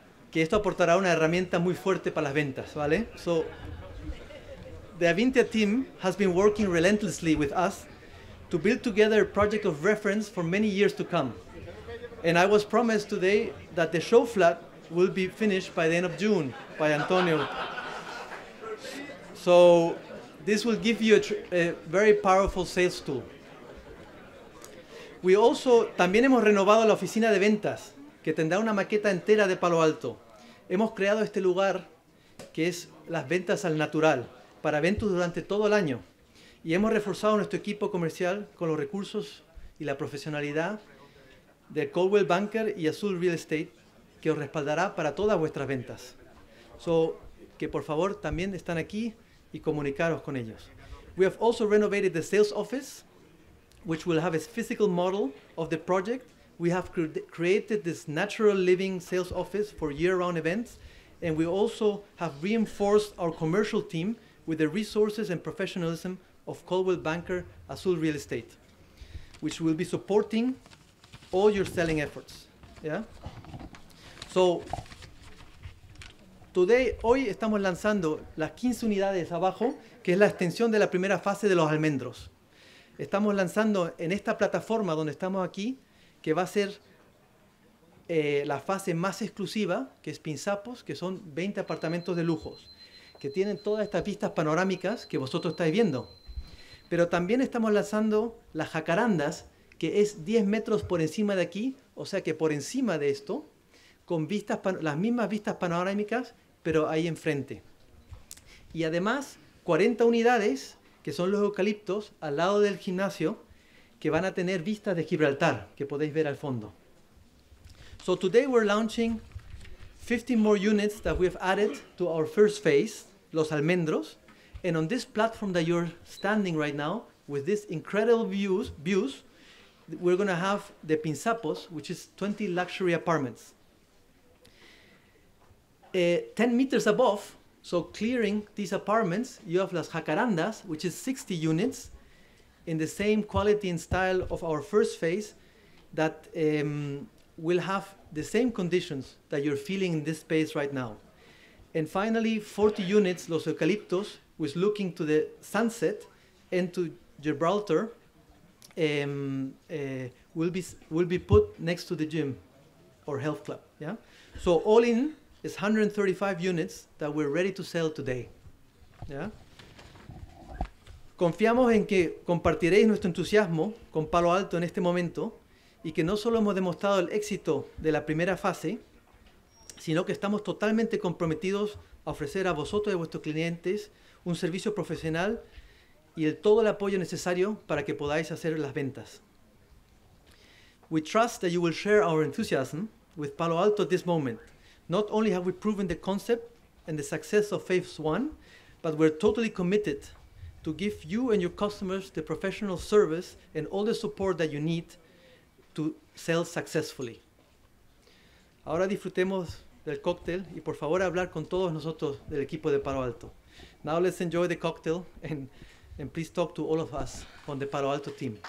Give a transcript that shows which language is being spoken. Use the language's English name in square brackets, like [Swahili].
[Spanish] Que esto aportará una herramienta muy fuerte para las ventas, ¿vale? [English] So, the Avintia team has been working relentlessly with us to build together a project of reference for many years to come. And I was promised today that the show flat will be finished by the end of June by Antonio. So this will give you a very powerful sales tool. We also, [Spanish] también hemos renovado la oficina de ventas, que tendrá una maqueta entera de Palo Alto. Hemos creado este lugar, que es las ventas al natural, para eventos durante todo el año. Y hemos reforzado nuestro equipo comercial con los recursos y la profesionalidad de Coldwell Banker y Azul Real Estate, que os respaldará para todas vuestras ventas. So, que por favor también están aquí y comunicaros con ellos. [English] We have also renovated the sales office, which will have a physical model of the project. We have created this natural living sales office for year-round events, and we also have reinforced our commercial team with the resources and professionalism of Coldwell Banker Azul Real Estate, which will be supporting all your selling efforts. Yeah? [Spanish] So, hoy estamos lanzando las 15 unidades abajo, que es la extensión de la primera fase de los almendros. Estamos lanzando en esta plataforma donde estamos aquí, que va a ser la fase más exclusiva, que es Pinzapos, que son 20 apartamentos de lujos, que tienen todas estas vistas panorámicas que vosotros estáis viendo. Pero también estamos lanzando las jacarandas, que es 10 metros por encima de aquí, o sea que por encima de esto, con vistas las mismas vistas panorámicas, pero ahí enfrente. Y además, 40 unidades, que son los eucaliptos, al lado del gimnasio, que van a tener vistas de Gibraltar, que podéis ver al fondo. [English] So today we're launching 15 more units that we've added to our first phase, Los Almendros. And on this platform that you're standing right now, with these incredible views, we're going to have the Pinzapos, which is 20 luxury apartments. 10 meters above, so clearing these apartments, you have Las Jacarandas, which is 60 units in the same quality and style of our first phase that will have the same conditions that you're feeling in this space right now. And finally, 40 units, Los Eucaliptos, which looking to the sunset and to Gibraltar, will be put next to the gym or health club. Yeah. So all in, it's 135 units that we're ready to sell today. Yeah? [Spanish] Confiamos en que compartiréis nuestro entusiasmo con Palo Alto en este momento y que no solo hemos demostrado el éxito de la primera fase, sino que estamos totalmente comprometidos a ofrecer a vosotros y a vuestros clientes un servicio profesional y todo el apoyo necesario para que podáis hacer las ventas. [English] We trust that you will share our enthusiasm with Palo Alto at this moment. Not only have we proven the concept and the success of phase one, but we're totally committed to give you and your customers the professional service and all the support that you need to sell successfully. [Spanish] Ahora disfrutemos del cóctel y por favor hablar con todos nosotros del equipo de Palo Alto. [English] Now let's enjoy the cocktail and please talk to all of us on the Palo Alto team.